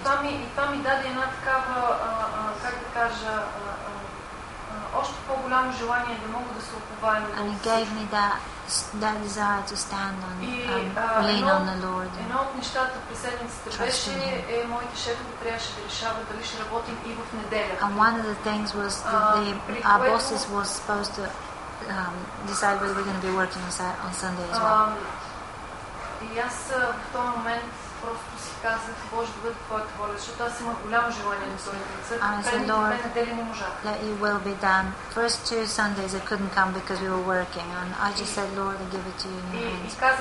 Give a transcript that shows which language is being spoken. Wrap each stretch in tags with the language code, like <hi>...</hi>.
<en>And that gave me a kind of,</en> <bg>още по-голямо желание да мога да се оповая.</bg> <en>And it gave me that desire to stand on lean on the Lord.</en> <bg>Едно от нещата през седмицата беше моите шефове трябваше да решават дали ще работим и в неделя.</bg> <en>And one of the things was that our bosses was supposed to decide whether we're going to be working on Sunday as well.</en> <bg>И аз в този момент просто си казах, Боже, да бъде твоята воля, защото аз имам голямо желание да се върна в църква.</bg> <en>Let it well be done. First two Sundays I couldn't come because we were working, and I just said, Lord, I give it to you in your hands.</en>